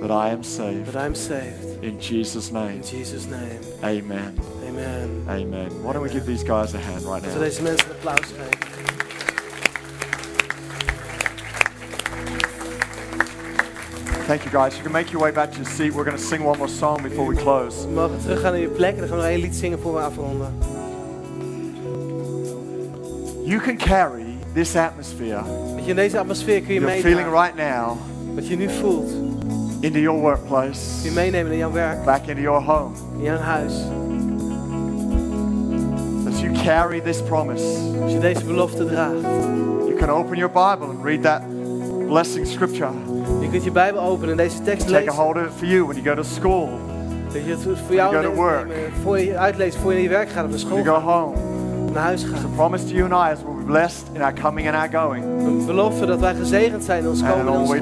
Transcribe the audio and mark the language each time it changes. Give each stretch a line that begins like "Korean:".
English: That I am saved. That I am saved. In Jesus' name. In Jesus' name. Amen. Amen. Amen. Why don't we give these guys a hand right now?
Dutch: So deze mensen een applaus geven.
English: Thank you, guys. You can make your way back to your seat. We're going to sing one more song before we close.
Dutch: We mogen terug gaan naar je plek en dan gaan we nog één lied zingen voor we afronden.
English: You can carry this atmosphere.
Dutch: Dat je in deze atmosfeer kun je meenemen.
English: You're feeling right now.
Dutch: Wat je nu voelt.
English: Into your workplace.
Dutch: Je meenemen naar jouw werk.
English: Back into your home.
Dutch: In jouw huis.
English: Carry this promise.
Dutch: Als je deze belofte draagt.
English: You can open your Bible and read that blessing scripture.
Dutch: Je kunt je Bijbel openen en deze tekst lezen.
English: Take a hold of it for you when you go to school.
Dutch: Dat je het voor jou
English: go to work.
Dutch: Voor je uitleest voor je naar je werk gaat of naar school.
English: You go home.
Dutch: Naar huis gaan.
English: It's a promise to you and I as we'll be blessed in our coming and our going.
Dutch: Een belofte dat wij gezegend zijn in ons komen en ons gaan.